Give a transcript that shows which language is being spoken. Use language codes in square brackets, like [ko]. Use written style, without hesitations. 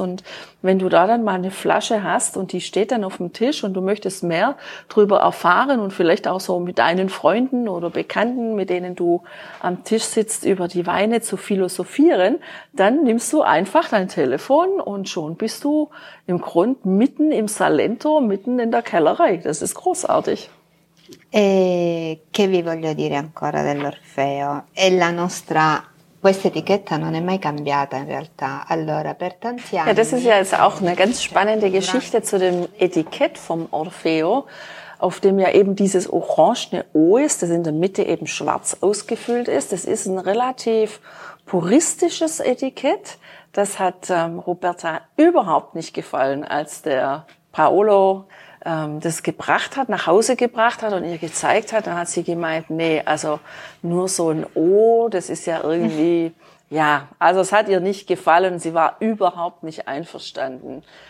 [de] Und wenn du da dann mal eine Flasche hast und die steht dann auf dem Tisch und du möchtest mehr drüber erfahren und vielleicht auch so mit deinen Freunden oder Bekannten, mit denen du am Tisch sitzt, über die Weine zu philosophieren, dann nimmst du einfach dein Telefon und schon bist du im Grund mitten im Salento, mitten in der Kellerei. Das ist großartig. [it] E che vi voglio dire ancora dell'Orfeo? E la nostra questa etichetta non è mai cambiata in realtà. Allora, per tanti anni. [de] Ja, das ist ja jetzt auch eine ganz spannende Geschichte zu dem Etikett vom Orfeo, auf dem ja eben dieses orangene O ist, das in der Mitte eben schwarz ausgefüllt ist. Das ist ein relativ puristisches Etikett. Das hat Roberta überhaupt nicht gefallen, als der Paolo das gebracht hat, nach Hause gebracht hat und ihr gezeigt hat, dann hat sie gemeint, nee, also nur so ein O, das ist ja irgendwie, ja, also es hat ihr nicht gefallen, sie war überhaupt nicht einverstanden.